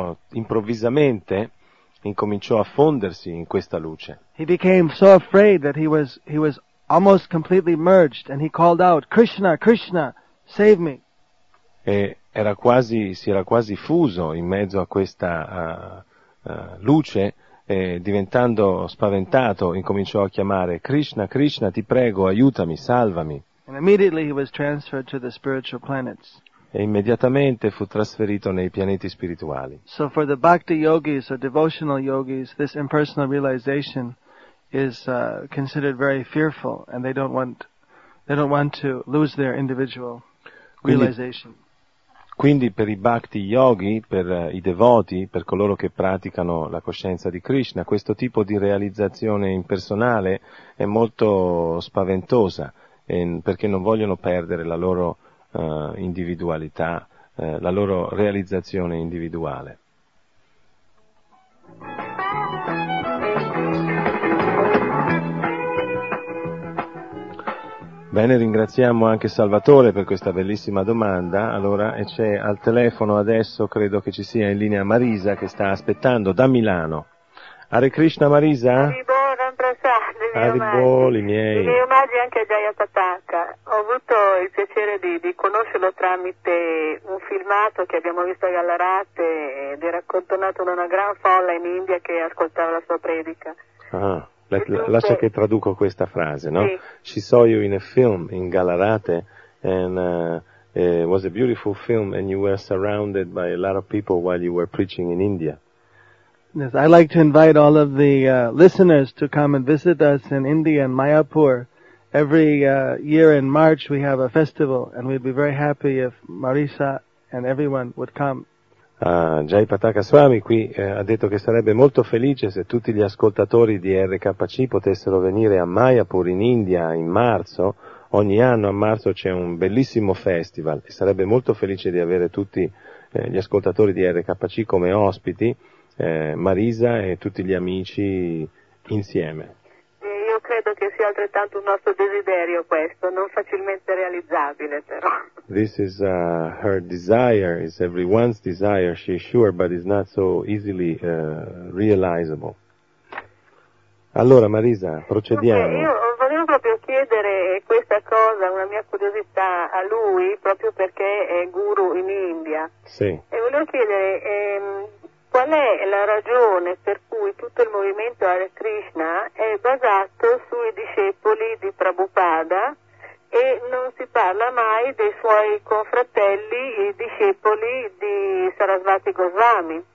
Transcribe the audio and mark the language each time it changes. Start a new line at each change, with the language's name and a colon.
Italian: Improvvisamente incominciò a fondersi in questa luce.
English: He became so afraid that he was almost completely merged, and he called out, "Krishna, Krishna, save me."
Italian: E si era quasi fuso in mezzo a questa luce, e diventando spaventato, incominciò a chiamare, "Krishna, Krishna, ti prego, aiutami, salvami."
English: And immediately he was transferred to the spiritual planets.
Italian: E immediatamente fu trasferito nei pianeti spirituali.
English: So for the bhakti yogis or devotional yogis, this impersonal realization is considered very fearful, and they don't want to lose their individual realization.
Italian: Quindi per i bhakti yogi, per i devoti, per coloro che praticano la coscienza di Krishna, questo tipo di realizzazione impersonale è molto spaventosa, perché non vogliono perdere la loro individualità, la loro realizzazione individuale. Bene, ringraziamo anche Salvatore per questa bellissima domanda. Allora, e c'è al telefono adesso, credo che ci sia in linea Marisa che sta aspettando da Milano. Hare Krishna Marisa. Hare Bol, i miei omaggi anche a Jaya Pataka. Ho avuto il piacere di conoscerlo tramite un filmato che abbiamo visto a Gallarate, ed era accantonato da una gran folla in India che ascoltava la sua predica. Lascia che traduco questa frase, no? Sì.
English: She saw you in a film in Gallarate, and it was a beautiful film, and you were surrounded by a lot of people while you were preaching in India. Yes, I'd like to invite all of the listeners to come and visit us in India, in Mayapur. Every year in March we have a festival, and we'd be very happy if Marisa and everyone would come.
Italian: Jai Pataka Swami qui ha detto che sarebbe molto felice se tutti gli ascoltatori di RKC potessero venire a Mayapur in India in marzo. Ogni anno a marzo c'è un bellissimo festival e sarebbe molto felice di avere tutti gli ascoltatori di RKC come ospiti, Marisa e tutti gli amici insieme. Io credo che sia altrettanto un nostro desiderio questo, non facilmente realizzabile però.
English: This is her desire, it's everyone's desire, she's sure, but it's not so easily realizable.
Italian: Allora Marisa, procediamo. Okay, io volevo proprio chiedere questa cosa, una mia curiosità a lui, proprio perché è guru in India. Sì. E volevo chiedere, qual è la ragione per cui tutto il movimento Hare Krishna è basato sui discepoli di Prabhupada e non si parla mai dei suoi confratelli e discepoli di Sarasvati Goswami?